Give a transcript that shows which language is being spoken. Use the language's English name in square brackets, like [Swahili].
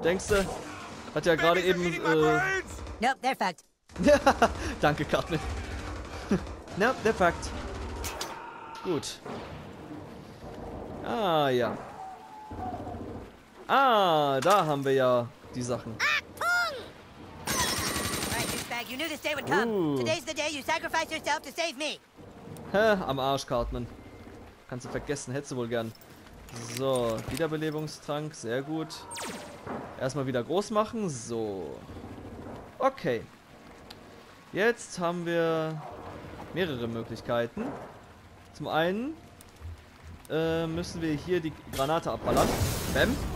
[German] Denkst du? Hat ja gerade eben. [English] Nope, they're fucked. [German] Danke, Cartman. [English] Nope, they're fucked. [German] Gut. Ah, ja. Ah, da haben wir ja die Sachen. Achtung! [English] Alright, Douchebag, you knew this day would come. Today's the day you sacrifice yourself to save me. [German] Am Arsch, Cartman. Kannst du vergessen, hättest du wohl gern. So, Wiederbelebungstrank, sehr gut. Erstmal wieder groß machen, so. Okay. Jetzt haben wir mehrere Möglichkeiten. Zum einen müssen wir hier die Granate abballern. Bäm.